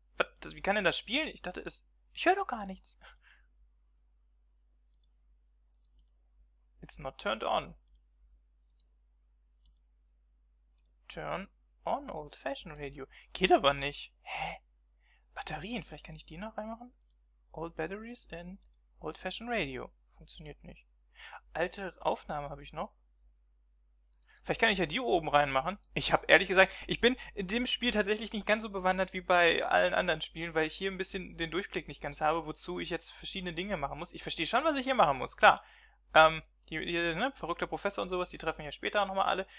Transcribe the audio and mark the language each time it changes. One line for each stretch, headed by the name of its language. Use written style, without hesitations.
German: Was, wie kann denn das spielen? Ich dachte, es... Ich höre doch gar nichts.
English: It's not turned on. Turn on old fashioned radio.
German: Geht aber nicht. Hä? Batterien, vielleicht kann ich die noch reinmachen?
English: Old batteries in old fashioned radio.
German: Funktioniert nicht. Alte Aufnahme habe ich noch. Vielleicht kann ich ja die oben reinmachen. Ich habe ehrlich gesagt, ich bin in dem Spiel tatsächlich nicht ganz so bewandert wie bei allen anderen Spielen, weil ich hier ein bisschen den Durchblick nicht ganz habe, wozu ich jetzt verschiedene Dinge machen muss. Ich verstehe schon, was ich hier machen muss, klar. Ne, verrückter Professor und sowas, die treffen ja später auch nochmal alle.